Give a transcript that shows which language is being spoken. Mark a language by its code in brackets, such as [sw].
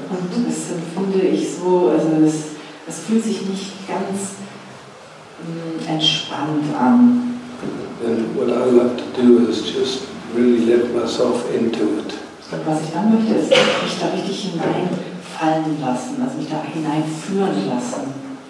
[de] Und das empfinde ich so, also es fühlt sich nicht ganz entspannt an. [en] And what I love to do is just really let myself into it. [de] Und was ich dann möchte, ist mich da richtig hinein fallen lassen, also mich da hineinführen lassen.